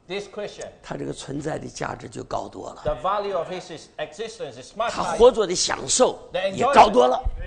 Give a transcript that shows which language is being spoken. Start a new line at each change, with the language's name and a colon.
English: ，This Christian，
Chinese: 他这个存在的价值就高多了。
English: The value of his existence is much higher.
Chinese: 他活着的享受也高多了。